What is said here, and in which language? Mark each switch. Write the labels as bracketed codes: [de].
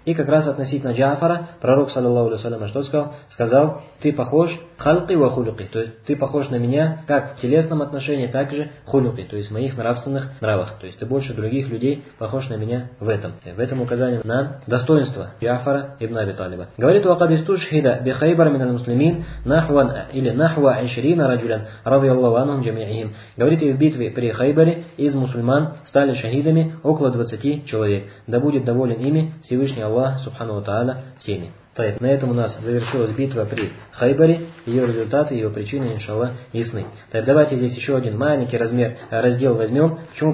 [ru] И как раз относительно Джафара, пророк, саллаллаху алейхи ва саллям, что сказал? Сказал, ты похож халки ва хулюки, то есть ты похож на меня как в телесном отношении, так же хулюки, то есть в моих нравственных нравах. То есть ты больше других людей похож на меня в этом. И в этом указание на достоинство Джафара ибн Аби Талиба. Говорит, [ar] وَقَدْ إِسْتُشْهِدَ بِخَيْبَرَ مِنَ الْمُسْلِمِينَ نَحْوًا [ru] или [ar] نَحْوَ عِشْرِينَ رَجُلًا رَضِيَ اللَّهُ عَنْهُمْ جَمِيعِهِمْ. [ru] Говорит, и в битве при Хайбаре из мусульман стали шахидами около 20 человек. Да будет доволен ими Всевышний Аллах, Субхану ва Тааля, всеми. Так, на этом у нас завершилась битва при Хайбаре, ее результаты, ее причины, иншалла, ясны. Так, давайте здесь еще один маленький размер, раздел возьмем. Почему?